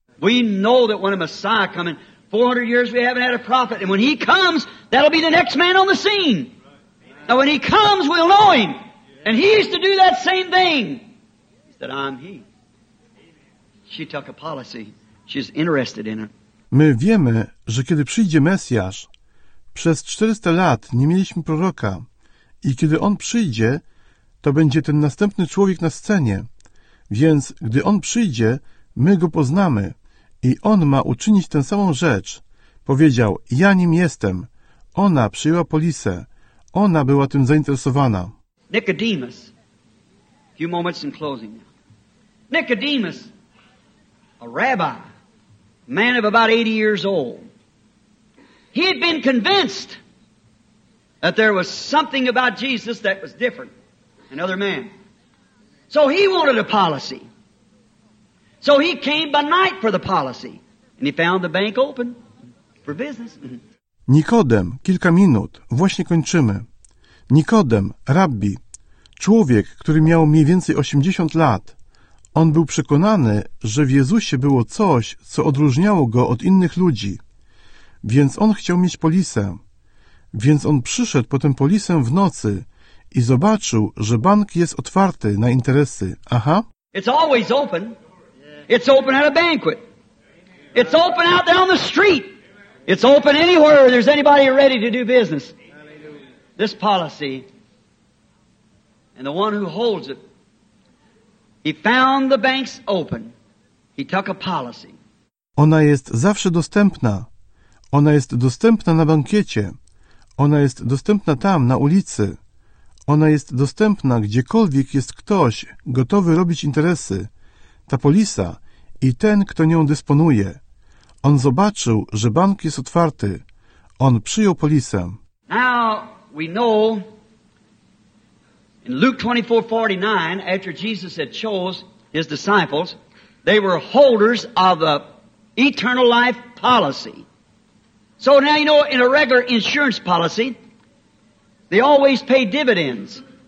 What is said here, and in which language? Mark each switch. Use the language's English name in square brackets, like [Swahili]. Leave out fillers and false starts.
[English] We know that when a Messiah comes, 400 years we haven't had a prophet, and when he comes, that'll be the next man on the scene. Now when he comes, we'll know him. And he used to do that same thing. He said, I'm he. She took a policy. She's interested in it. [Polish] My wiemy, że kiedy przyjdzie Mesjasz, przez 400 lat nie mieliśmy proroka. I kiedy on przyjdzie, to będzie ten następny człowiek na scenie. Więc gdy on przyjdzie, my go poznamy. I on ma uczynić tę samą rzecz. Powiedział, ja nim jestem. Ona przyjęła polisę. Ona była tym zainteresowana. [English] Nicodemus, a few moments in closing now. Nicodemus, a rabbi, man of about 80 years old, he had been convinced that there was something about Jesus that was different, another man. So he wanted a policy. So he came by night for the policy, and he found the bank open for business. [Polish] Nikodem, kilka minut, właśnie kończymy. Nikodem, rabbi. Człowiek, który miał mniej więcej 80 lat, on był przekonany, że w Jezusie było coś, co odróżniało go od innych ludzi. Więc on chciał mieć polisę. Więc on przyszedł po tę polisę w nocy i zobaczył, że bank jest otwarty na interesy. Aha. [English] It's always open. It's open at a banquet. It's open out there on the street. It's open anywhere there's anybody ready to do business. This policy. And the one who holds it, he found the banks open. He took a policy. [Polish] Ona jest zawsze dostępna. Ona jest dostępna na bankiecie. Ona jest dostępna tam, na ulicy. Ona jest dostępna gdziekolwiek jest ktoś gotowy robić interesy. Ta polisa i ten, kto nią dysponuje. On zobaczył, że bank jest otwarty. On przyjął polisę. [English] Now we know in Luke 24:49, after Jesus had chose his disciples, they were holders of the eternal life policy. So now you know in a regular insurance policy, they always pay dividends.